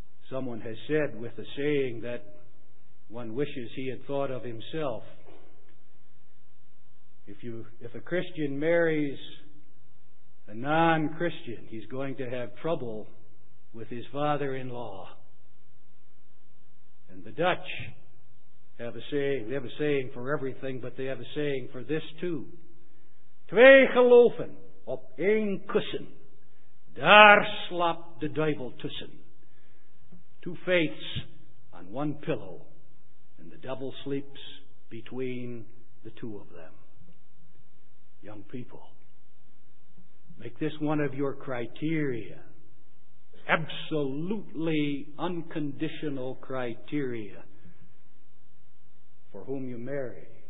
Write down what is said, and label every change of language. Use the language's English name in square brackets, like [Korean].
[English] Someone has said, with a saying that one wishes he had thought of himself, if a Christian marries a non-Christian, he's going to have trouble with his father-in-law. And the Dutch have a saying. They have a saying for everything, but they have a saying for this too. [Dutch] Twee geloven op één kussen, daar slaapt de duivel tussen. [English] Two faiths on one pillow, and the devil sleeps between the two of them. Young people, make this one of your criteria, absolutely unconditional criteria for whom you marry.